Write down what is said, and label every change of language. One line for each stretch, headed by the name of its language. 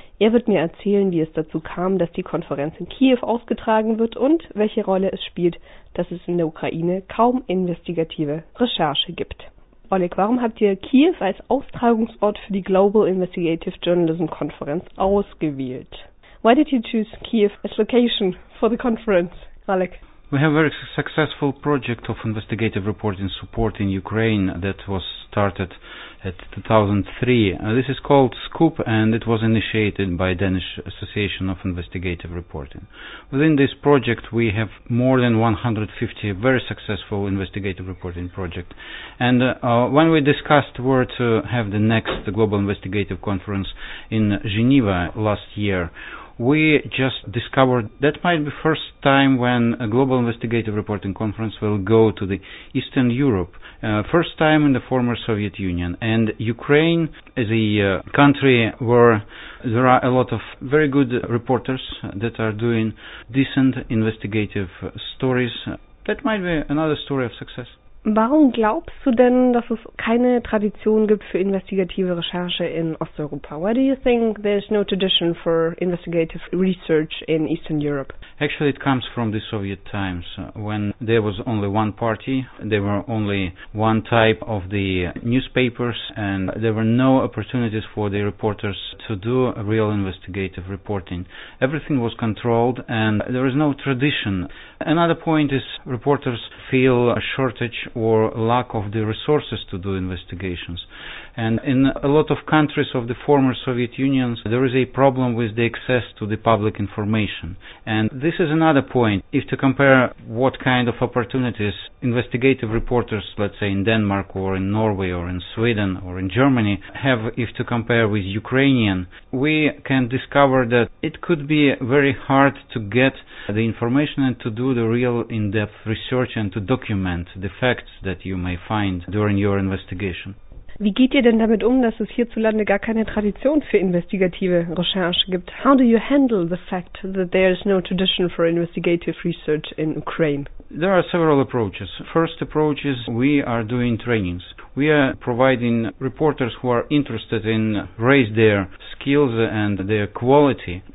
German: Er wird mir erzählen, wie es dazu kam, dass die Konferenz in Kiew ausgetragen wird und welche Rolle es spielt, dass es in der Ukraine kaum investigative Recherche gibt. Oleg, warum habt ihr Kiew als Austragungsort für die Global Investigative Journalism Conference ausgewählt?
English: Why did you choose Kiev as location for the conference, Oleg? We have a very successful project of investigative reporting support in Ukraine that was started in 2003. This is called SCOOP and it was initiated by Danish Association of Investigative Reporting. Within this project we have more than 150 very successful investigative reporting projects. And when we discussed where to have the next global investigative conference in Geneva last year, we just discovered that might be first time when a global investigative reporting conference will go to the Eastern Europe, first time in the former Soviet Union. And Ukraine is a country where there are a lot of very good reporters that are doing decent investigative stories. That might be another story of success.
German: Warum glaubst du denn, dass es keine Tradition gibt für investigative Recherche in Osteuropa?
English: Why do you think there's no tradition for investigative research in Eastern Europe? Actually, it comes from the Soviet times, when there was only one party, there were only one type of the newspapers, and there were no opportunities for the reporters to do real investigative reporting. Everything was controlled, and there is no tradition. Another point is reporters feel a shortage or lack of the resources to do investigations. And in a lot of countries of the former Soviet Union, there is a problem with the access to the public information. And this is another point. If to compare what kind of opportunities investigative reporters, let's say in Denmark or in Norway or in Sweden or in Germany, have, if to compare with Ukrainian, we can discover that it could be very hard to get the information and to do the real in-depth research and to document the facts that you may find during your investigation.
German: Wie geht ihr denn damit um, dass es hierzulande gar keine Tradition für investigative Recherche gibt?
English: How do you handle the fact that there is no tradition for investigative research in Ukraine? There are several approaches. First approach is we are doing trainings. We are providing reporters who are interested in raise their skills and their quality.